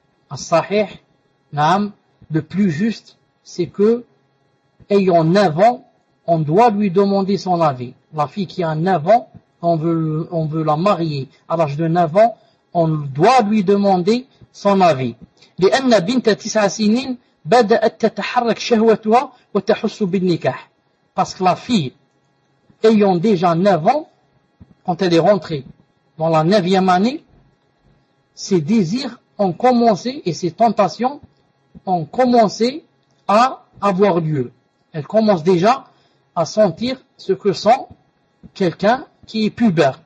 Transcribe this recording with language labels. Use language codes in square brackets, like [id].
[fr] As-sahih, naam, le plus juste, c'est que, ayant 9 ans, on doit lui demander son avis. La fille qui a 9 ans, on veut la marier à l'âge de 9 ans, on doit lui demander son avis. [ar] لأن بنت تسع سنين بدأت تتحرك شهوتها وتحس بالنكاح. [fr] Parce que la fille, ayant déjà 9 ans, quand elle est rentrée dans la 9e année, ses désirs ont commencé et ses tentations ont commencé à avoir lieu. Elle commence déjà à sentir ce que sent quelqu'un qui est pubère.